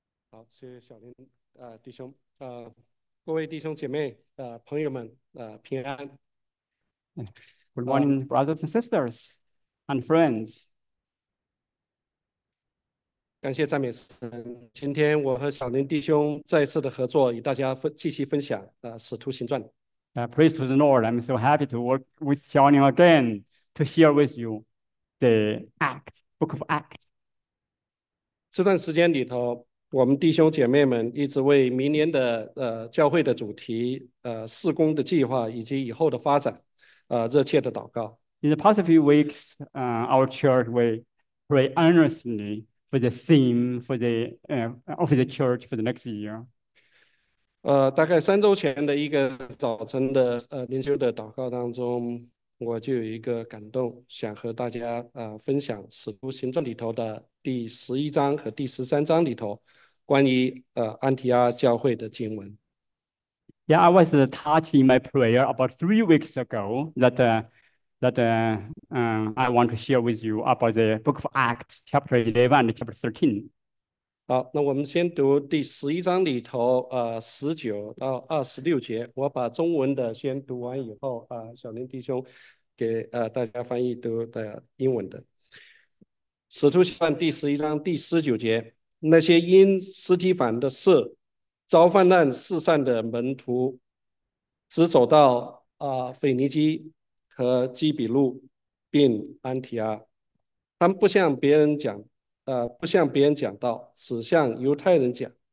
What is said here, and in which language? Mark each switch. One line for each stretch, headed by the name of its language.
Chinese: 好，谢谢小林弟兄各位弟兄姐妹朋友们平安。
English: Good morning, brothers and sisters and friends.
Chinese: 感谢赞美神，今天我和小林弟兄再次的合作，与大家继续分享《使徒行传》。
English: Praise to the Lord. I'm so happy to work with Xiaoling again to share with you the Book of Acts.
Chinese: 这段时间里头，我们弟兄姐妹们一直为明年的教会的主题、事工的计划以及以后的发展，热切的祷告。
English: In the past few weeks, our church will pray earnestly for the theme for the of the church for the next year.
Chinese: 大概3周前的一个早晨的灵修的祷告当中，我就有一个感动，想和大家分享《使徒行传》里头的第11章和第13章里头关于安提阿教会的经文。
English: Yeah, I was touched in my prayer about 3 weeks ago I want to share with you about the Book of Acts, chapter 11 and chapter 13.
Chinese: 好，那我们先读第11章里头19到26节，我把中文的先读完以后，小林弟兄给大家翻译读的英文的。使徒行传第11章第19节，那些因斯提凡的事遭患难四散的门徒，只走到腓尼基和基比路，并安提阿，他们不向别人讲道，只向犹太人讲。